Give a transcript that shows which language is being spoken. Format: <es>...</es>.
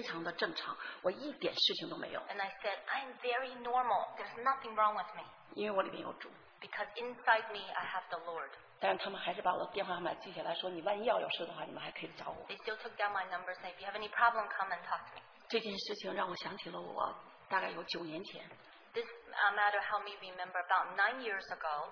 <zh>我告诉他们，我非常的正常，我一点事情都没有。</zh> <en>And I said, I'm very normal. There's nothing wrong with me.</en> <zh>因为我里面有主。</zh> <en>Because inside me, I have the Lord.</en> <zh>但他们还是把我的电话号码记下来，说你万一要有事的话，你们还可以找我。</zh> <en>They still took down my number, saying, "If you have any problem, come and talk to me."</en> <zh>这件事情让我想起了我大概有9年前。</zh> <en>This matter helped me remember about 9 years ago.</en>